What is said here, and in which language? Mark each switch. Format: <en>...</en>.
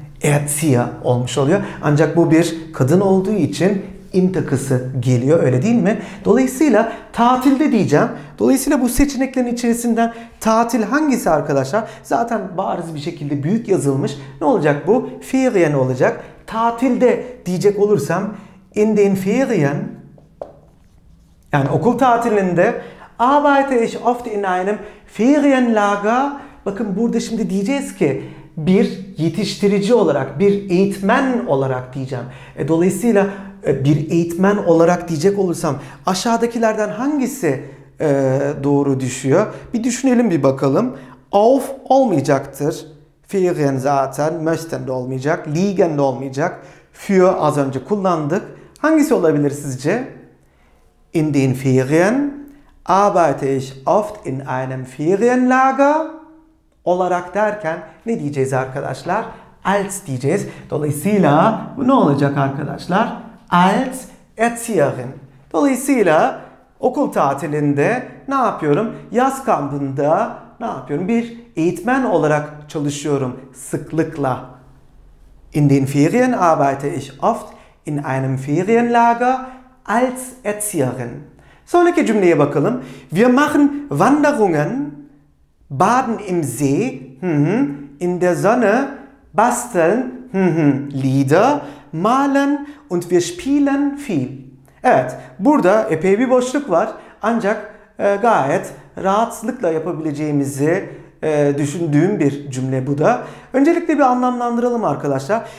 <tr>Erzieher olmuş oluyor. Ancak bu bir kadın olduğu için in takısı geliyor, öyle değil mi? Dolayısıyla tatilde diyeceğim. Dolayısıyla bu seçeneklerin içerisinden tatil hangisi arkadaşlar? Zaten bariz bir şekilde büyük yazılmış. Ne olacak bu? Ferien olacak. Tatilde diyecek olursam</tr> <de>in den Ferien,</de> <tr>yani okul tatilinde</tr> <de>arbeite ich oft in einem Ferienlager.</de> <tr>Bakın burada şimdi diyeceğiz ki bir yetiştirici olarak, bir eğitmen olarak diyeceğim. Dolayısıyla bir eğitmen olarak diyecek olursam aşağıdakilerden hangisi doğru düşüyor? Bir düşünelim, bir bakalım. Auf olmayacaktır. Ferien zaten. Möchten de olmayacak. Liegen de olmayacak. Für az önce kullandık. Hangisi olabilir sizce?</tr> <de>In den Ferien arbeite ich oft in einem Ferienlager.</de> <tr>Olarak derken ne diyeceğiz arkadaşlar? Als diyeceğiz. Dolayısıyla bu ne olacak arkadaşlar?</tr> <de>Als Erzieherin.</de> <tr>Dolayısıyla okul tatilinde ne yapıyorum? Yaz kampında ne yapıyorum? Bir eğitmen olarak çalışıyorum sıklıkla.</tr> <de>In den Ferien arbeite ich oft in einem Ferienlager als Erzieherin.</de> <tr>Sonraki cümleye bakalım.</tr> <de>Wir machen Wanderungen, baden im See, in der Sonne, basteln, Lieder, malen und wir spielen viel.</de> <tr>Evet, burada epey bir boşluk var. Ancak gayet rahatlıkla yapabileceğimizi düşündüğüm bir cümle bu da. Öncelikle bir anlamlandıralım arkadaşlar.</tr>